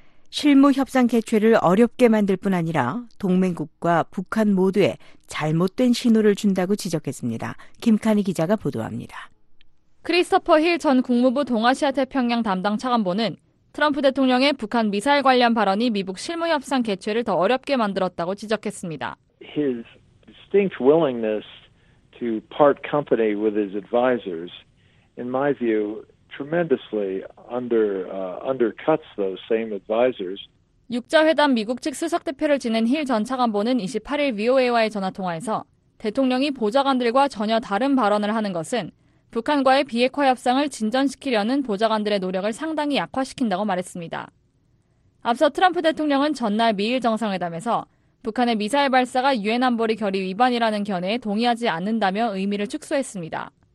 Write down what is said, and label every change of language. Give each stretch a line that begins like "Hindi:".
Korean: 실무 협상 개최를 어렵게 만들 뿐 아니라 동맹국과 북한 모두에 잘못된 신호를 준다고 지적했습니다. 김카니 기자가 보도합니다. 크리스토퍼 힐 전 국무부 동아시아 태평양 담당 차관보는 트럼프 대통령의 북한 미사일 관련 발언이 미국 실무 협상 개최를 더 어렵게 만들었다고 지적했습니다.
English: Distinct willingness to part company with his advisors, in my view, tremendously undercuts those same advisors.
Korean: 6자회담 미국 측 수석 대표를 지낸 힐 전 차관보는 28일 VOA와의 전화 통화에서 대통령이 보좌관들과 전혀 다른 발언을 하는 것은 북한과의 비핵화 협상을 진전시키려는 보좌관들의 노력을 상당히 약화시킨다고 말했습니다. 앞서 트럼프 대통령은 전날 미일 정상회담에서 북한의 미사일 발사가 유엔 안보리 결의 위반이라는 견해에 동의하지 않는다며 의미를 축소했습니다.